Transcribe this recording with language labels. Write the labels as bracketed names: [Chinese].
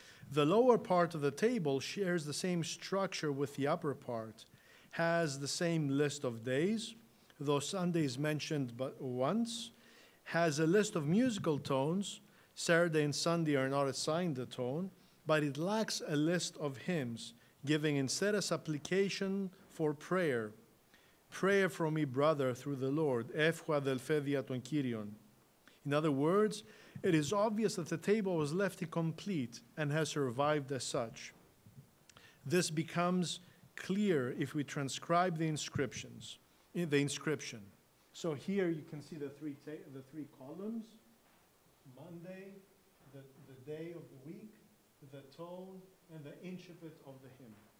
[English] The lower part of the table shares the same structure with the upper part, has the same list of days, though Sunday is mentioned but once, has a list of musical tones. Saturday and Sunday are not assigned a tone, but it lacks a list of hymns, giving instead a supplication for prayer. Pray for me, brother, through the Lord. [Greek] Εύχω αδελφέ δια τον Κύριον. [English] In other words, it is obvious that the table was left incomplete and has survived as such. This becomes clear if we transcribe the inscriptions, the inscription. So here you can see the three columns, Monday, the day of the week, the tone, and the incipit of the hymn.